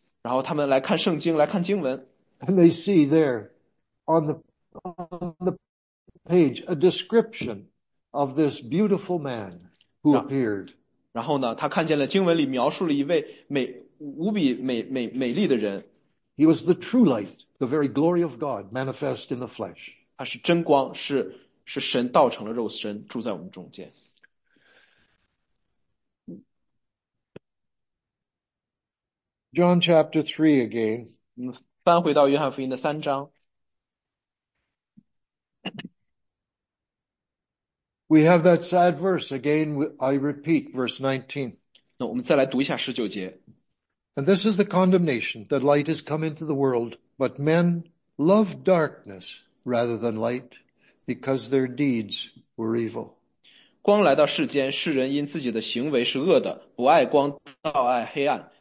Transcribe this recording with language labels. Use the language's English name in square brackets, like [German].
[Chinese] 然后他们来看圣经，来看经文。 [English] And they see there on the page a description of this beautiful man who appeared. [Chinese] 然后呢，他看见了经文里描述了一位无比美丽的人。 [English] He was the true light, the very glory of God manifest in the flesh. [Chinese] 他是真光，是神道成了肉身，住在我们中间。 [English] John chapter 3 again. [Chinese] 翻回到约翰福音的3章。 [English] We have that sad verse again. I repeat verse 19. [Chinese] 那我们再来读一下19节。 [English] And this is the condemnation, that light has come into the world, but men love darkness rather than light because their deeds were evil. [Chinese] 光来到世间，世人因自己的行为是恶的，不爱光，倒爱黑暗。